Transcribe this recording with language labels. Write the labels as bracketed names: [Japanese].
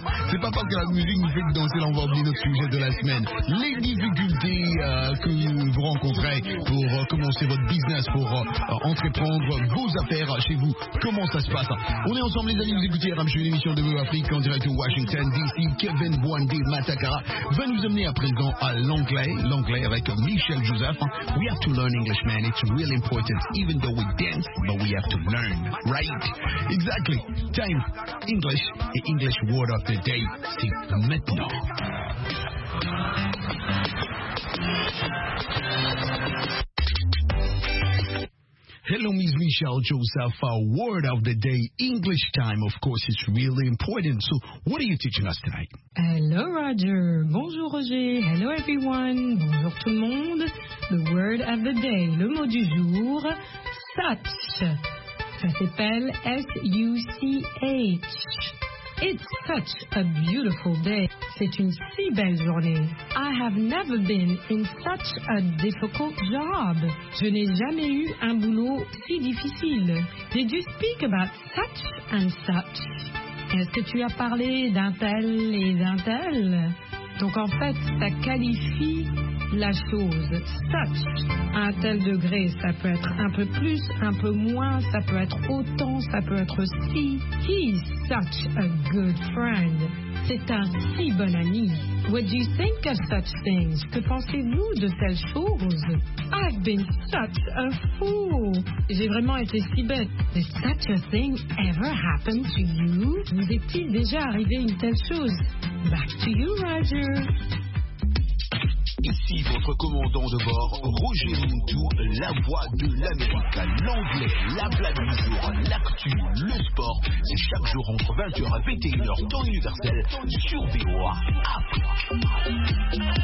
[French] C'est pas parce que la musique nous fait que danser, là on va oublier notre sujet de la semaine. Les difficultés que vous rencontrez pour commencer votre business, pour entreprendre vos affaires chez vous. Comment ça se passe? On est ensemble les amis, vous écoutez RMC, une émission de Vue Afrique en direct de Washington DC. Kevin Bwande Matakara va nous amener à présent à l'anglais, l'anglais avec Michel Joseph. [English] We have to learn English, man. It's really important, even though we dance, but we have to learn, right? Exactly. Time, English, the English word of the day, [French] c'est maintenant. [English] Hello, Miss Michelle Joseph. A word of the day, English time, of course, is really important. So, what are you teaching us tonight? Hello, Roger. [French] Bonjour, Roger. [English] Hello, everyone. [French] Bonjour, tout le monde. [English] The word of the day, [French] le mot du jour, such. Ça s'appelle S-U-C-H. [English] It's such a beautiful day. [French] C'est une si belle journée. [English] I have never been in such a difficult job. [French] Je n'ai jamais eu un boulot si difficile. [English] Did you speak about such and such? [French] Est-ce que tu as parlé d'un tel et d'un tel? Donc en fait, ça qualifie la chose. Such, à un tel degré, ça peut être un peu plus, un peu moins, ça peut être autant, ça peut être si. [English] He's such a good friend. [French] C'est un si bon ami. [English] What do you think of such things? [French] Que pensez-vous de telles choses? [English] I've been such a fool. [French] J'ai vraiment été si bête. [English] Did such a thing ever happen to you? [French] Vous est-il déjà arrivé une telle chose? [English] Back to you, Roger. [French] Ici votre commandant de bord, Roger Mountou, la voix de l'Amérique, l'anglais, la blague du jour, l'actu, le sport. C'est chaque jour entre 20h et 21h, temps universel, sur VOA Afrique.